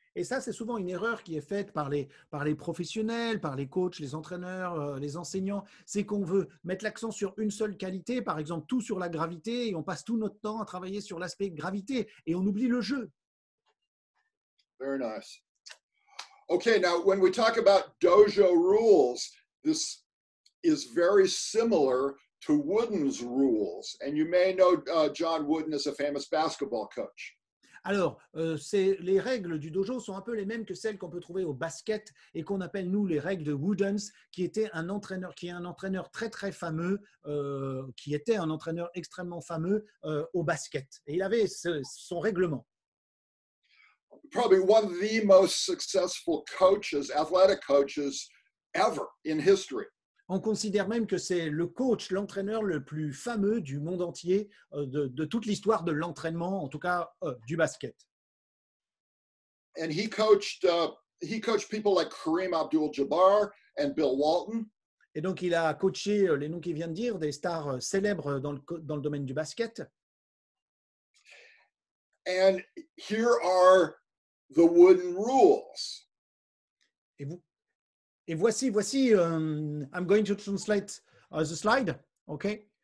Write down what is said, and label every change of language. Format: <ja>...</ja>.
<fr>Et ça, c'est souvent une erreur qui est faite par les professionnels, par les coachs, les entraîneurs, les enseignants. C'est qu'on veut mettre l'accent sur une seule qualité, par exemple, tout sur la gravité, et on passe tout notre temps à travailler sur l'aspect gravité, et on oublie le jeu.</fr> <en>Very nice. Okay, now, when we talk about dojo rules, this is very similar to Wooden's rules. And you may know John Wooden as a famous basketball coach.</en> <fr>Alors, c'est, les règles du dojo sont un peu les mêmes que celles qu'on peut trouver au basket et qu'on appelle, nous, les règles de Woodens, qui est un entraîneur très, très fameux, qui était un entraîneur extrêmement fameux au basket. Et il avait son règlement.</fr> <en>Probably one of the most successful coaches, athletic coaches, ever in history.</en> <fr>On considère même que c'est le coach, l'entraîneur le plus fameux du monde entier, de toute l'histoire de l'entraînement, en tout cas du basket.</fr> <en>And he coached people like Kareem Abdul-Jabbar and Bill Walton.</en> <fr>Et donc il a coaché les noms qu'il vient de dire, des stars célèbres dans le domaine du basket.</fr> <en>And here are the Wooden rules.</en> <fr>Et vous? Et voici,</fr> <en>I'm going to translate the slide, ok.</en>